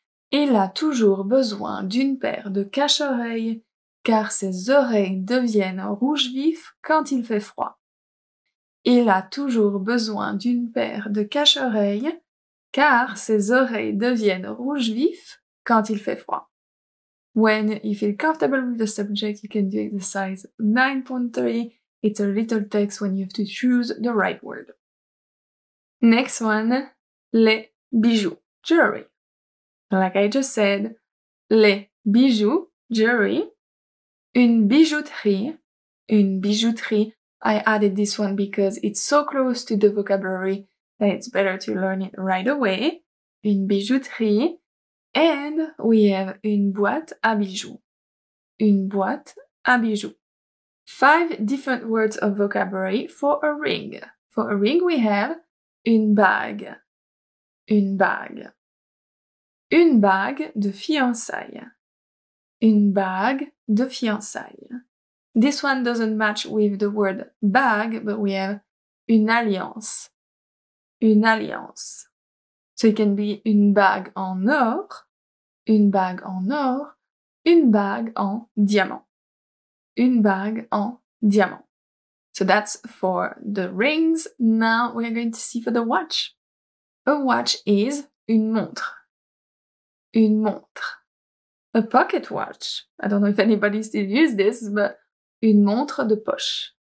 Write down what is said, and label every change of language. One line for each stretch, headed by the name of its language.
French: Il a toujours besoin d'une paire de cache-oreilles car ses oreilles deviennent rouge vif quand il fait froid. Il a toujours besoin d'une paire de cache-oreilles car ses oreilles deviennent rouge vif quand il fait froid.
English: When you feel comfortable with the subject, you can do exercise 9.3. It's a little text when you have to choose the right word. Next one, les bijoux, jewelry. Like I just said, les bijoux, jewelry, une bijouterie, I added this one because it's so close to the vocabulary that it's better to learn it right away, une bijouterie, and we have une boîte à bijoux. Une boîte à bijoux. 5 different words of vocabulary for a ring. For a ring, we have une bague. Une bague.
French: Une bague de fiançailles. Une bague de fiançailles.
English: This one doesn't match with the word bague, but we have une alliance.
French: Une alliance.
English: So it can be
French: une bague en or. Une bague en or, une bague en diamant.
English: Une bague en diamant. So that's for the rings. Now we are going to see for the watch. A watch is
French: une montre. Une montre.
English: A pocket watch. I don't know if anybody still uses this, but une montre de poche.